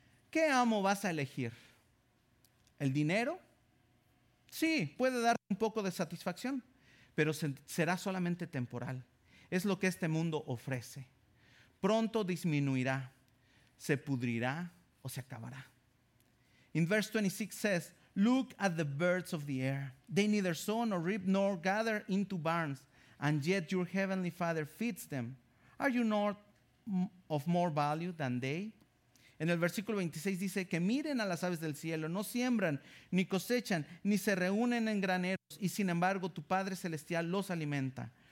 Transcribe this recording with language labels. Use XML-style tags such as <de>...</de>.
<es>¿Qué amo vas a elegir? ¿El dinero? Sí, puede darte un poco de satisfacción, pero será solamente temporal. Es lo que este mundo ofrece. Pronto disminuirá, se pudrirá o se acabará.</es> <en>In verse 26 says, look at the birds of the air. They neither sow nor reap nor gather into barns, and yet your heavenly Father feeds them. Are you not of more value than they?</en> <es>En el versículo 26 dice, que miren a las aves del cielo, no siembran, ni cosechan, ni se reúnen en graneros, y sin embargo tu Padre Celestial los alimenta.</es>